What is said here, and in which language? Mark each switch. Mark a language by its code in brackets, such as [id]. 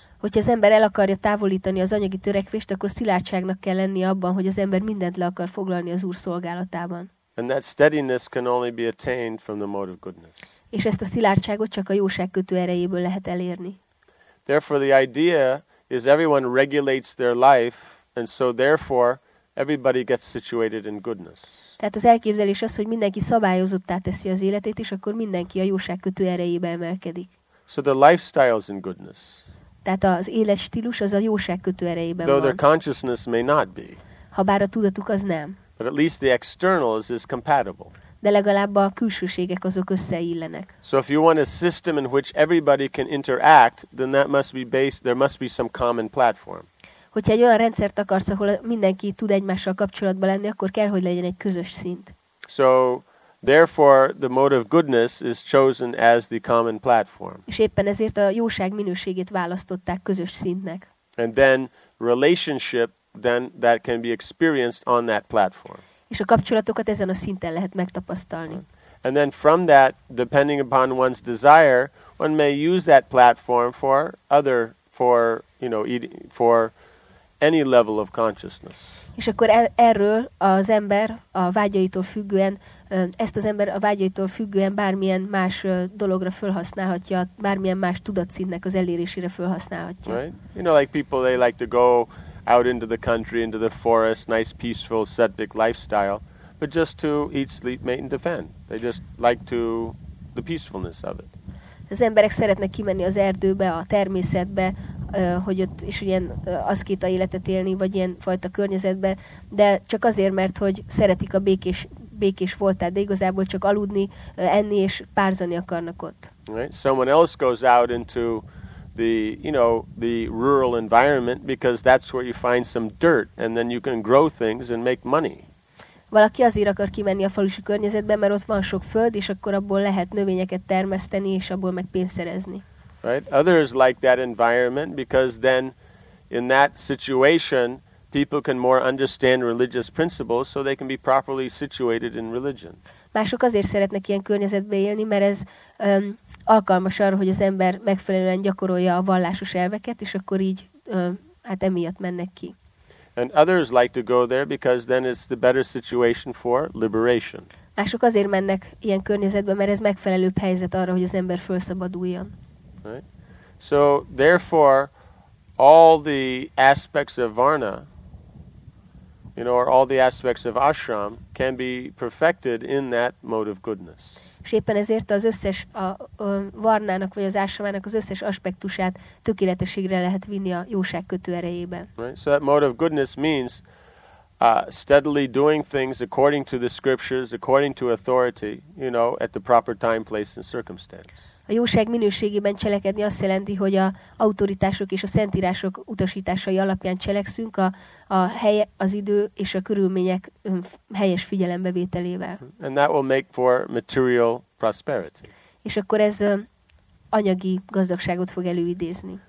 [hu] Hogyha az ember el akarja távolítani az anyagi törekvést, akkor szilárdságnak kell lenni abban, hogy az ember mindent le akar foglalni az Úr szolgálatában. [en] And that steadiness can only be attained from the mode of goodness. [hu] És ezt a szilárdságot csak a jóság kötő erejéből lehet elérni. [en] Therefore the idea is everyone regulates their life and so therefore everybody gets situated in goodness. [hu] Tehát az elképzelés az, hogy mindenki szabályozottá teszi az életét, és akkor mindenki a jóság kötő erejébe emelkedik. [en] So the lifestyle is in goodness. [hu] Tehát az életstílus az a jóság kötő erejében van. [en] Though their consciousness may not be. [hu] Habár a tudatuk az nem. [en] But at least the externals is compatible. [hu] De legalább a külsőségek azok összeillenek. [en] So if you want a system in which everybody can interact, then that must be based, there must be some common platform. [hu] Hogyha egy olyan rendszert akarsz, ahol mindenki tud egymással kapcsolatban lenni, akkor kell, hogy legyen egy közös szint. [en] So therefore the mode of goodness is chosen as the common platform. [hu] És éppen ezért a jóság minőségét választották közös szintnek. [en] And then relationship then that can be experienced on that platform. [hu] És a kapcsolatokat ezen a szinten lehet megtapasztalni. [en] And then from that, depending upon one's desire, one may use that platform for other, for, you know, for any level of consciousness. [hu] És akkor erről az ember a vágyaitól függően, ezt az ember a vágyaitól függően bármilyen más dologra felhasználhatja, bármilyen más tudatszintnek az elérésére felhasználhatja. [en] Right? You know, like people, they like to go out into the country, into the forest, nice, peaceful, ascetic lifestyle, but just to eat, sleep, mate, and defend. They just like to the peacefulness of it. [hu] Az emberek szeretnek kimenni az erdőbe, a természetbe, hogy ott is ilyen aszkita életet élni, vagy ilyen fajta környezetbe, de csak azért, mert hogy szeretik a békés voltát, de igazából csak aludni, enni és párzani akarnak ott. [en] Right? Someone else goes out into the, you know, the rural environment, because that's where you find some dirt and then you can grow things and make money. [hu] Valaki azért akar kimenni a falusi környezetbe, mert ott van sok föld, és akkor abból lehet növényeket termeszteni, és abból meg pénzt szerezni. [en] Right? Others like that environment because then in that situation people can more understand religious principles so they can be properly situated in religion. [hu] Mások azért szeretnek ilyen környezetbe élni, mert ez alkalmas arra, hogy az ember megfelelően gyakorolja a vallásos elveket, és akkor így hát emiatt mennek ki. [en] And others like to go there because then it's the better situation for liberation. [hu] Mások azért mennek ilyen környezetbe, mert ez megfelelőbb helyzet arra, hogy az ember felszabaduljon. [en] Right. So therefore all the aspects of varna, you know, or all the aspects of ashram can be perfected in that mode of goodness. [hu] És éppen ezért az összes a varnának vagy az ashramának az összes aspektusát tökéletességre lehet vinni a jóság kötő erejében. [en] Right? So that mode of goodness means steadily doing things according to the scriptures, according to authority, you know, at the proper time, place and circumstance. [hu] A jóság minőségében cselekedni azt jelenti, hogy a autoritások és a szentírások utasításai alapján cselekszünk a hely, az idő és a körülmények helyes figyelembevételével. [en] And that will make for material prosperity. [hu] és akkor ez anyagi gazdagságot fog előidézni.